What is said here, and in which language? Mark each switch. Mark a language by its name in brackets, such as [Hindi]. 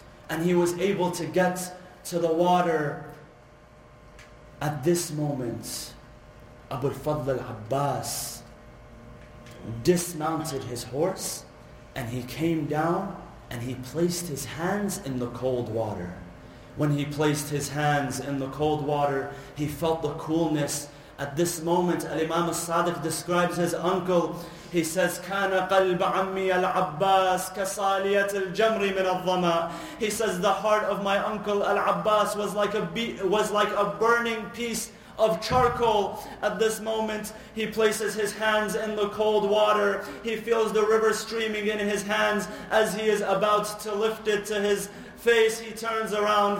[English] And he was able to get to the water. At this moment, Abu al-Fadl al-Abbas dismounted his horse, and he came down, and he placed his hands in the cold water. When he placed his hands in the cold water, he felt the coolness. At this moment, Al-Imam al-Sadiq describes his uncle. He says, [Arabic] كَانَ قَلْبَ عَمِّي الْعَبَّاسِ كَصَالِيَةِ الْجَمْرِ مِنَ الظَّمَىٰ. [English] He says, the heart of my uncle Al-Abbas was like a burning piece of charcoal. At this moment, he places his hands in the cold water. He feels the river streaming in his hands. As he is about to lift it to his face, he turns around.